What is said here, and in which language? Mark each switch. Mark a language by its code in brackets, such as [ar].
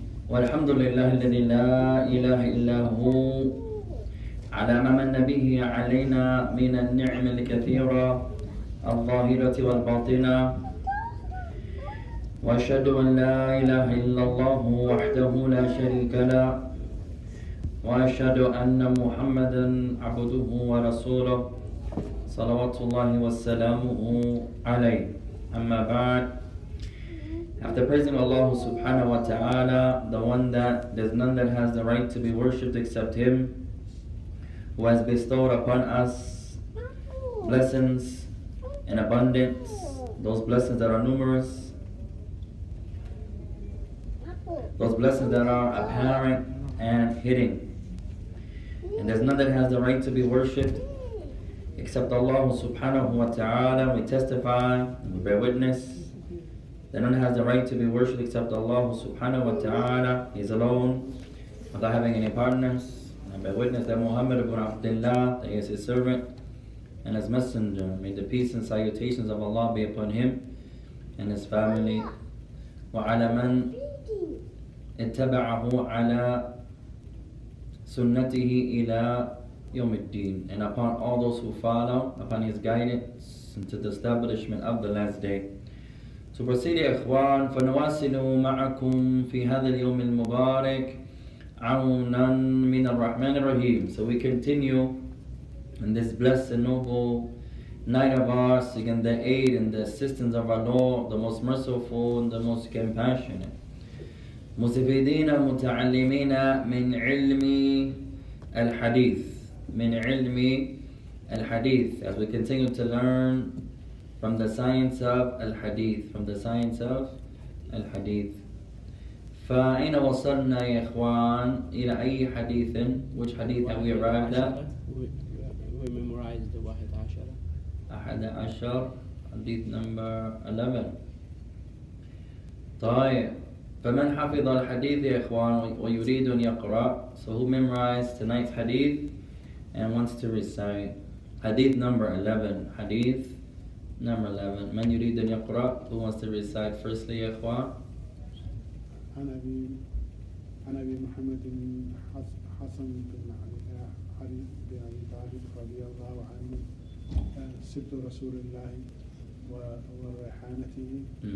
[ar] Alhamdulillah الذي لا إله إلا هو على ما من به علينا من النعم الكثيرة الظاهرة والباطنة وأشهد أن لا إله إلا الله وحده لا شريك له وأشهد أن محمدا عبده ورسوله صلوات الله وسلامه عليه أما بعد. [en] After praising Allah subhanahu wa ta'ala, the one that there's none that has the right to be worshipped except Him, who has bestowed upon us blessings in abundance, those blessings that are numerous, those blessings that are apparent and hidden. And there's none that has the right to be worshipped except Allah subhanahu wa ta'ala. We testify, we bear witness, that none has the right to be worshipped except Allah subhanahu wa ta'ala. He's alone, without having any partners. And I bear witness that Muhammad ibn Abdullah, that he is his servant and his messenger. May the peace and salutations of Allah be upon him and his family. [ar] Wa ala man ittaba'ahu ala sunnatihi ila yawmiddin. [en] And upon all those who follow, upon his guidance into the establishment of the last day. So proceed, [ar] ikhwan, فَنُوَاسِلُ مَعَكُمْ فِي هَذَا الْيَوْمِ الْمُبَارِكِ عَوْنًا مِنَ الرَّحْمَنِ الرَّحِيمِ. [en] So we continue in this blessed and noble night of ours, again the aid and the assistance of our Lord, the most merciful and the most compassionate. [ar] مُسِفِدِينَ مُتَعَلِّمِينَ مِنْ عِلْمِ الْحَدِيثِ مِنْ عِلْمِ الْحَدِيثِ. [en] As we continue to learn from the science of al-hadith, from the science of al-hadith. [ar] فَأَيْنَ وَصَلْنَا يَا إِخْوَانَ إِلَى أَيِّ حَدِيثٍ. [en] Which hadith have we arrived at? We memorized the [ar] واحد عشر. أحد عشر, [en] hadith number 11. [ar] طيب. فَمَنْ حَفِظَ الْحَدِيثِ يَا إِخْوَانَ وَيُرِيدُ أَنْ يَقْرَأَ. [en] So who memorized tonight's hadith and wants to recite? Hadith number 11, hadith number 11. [ar] من يريد أن يقرأ? [en] Who wants to recite firstly, [ar] يا إخوان? أنا أبي محمد حسن بن علي بن طالب رضي الله عنه سبت رسول الله وريحانته.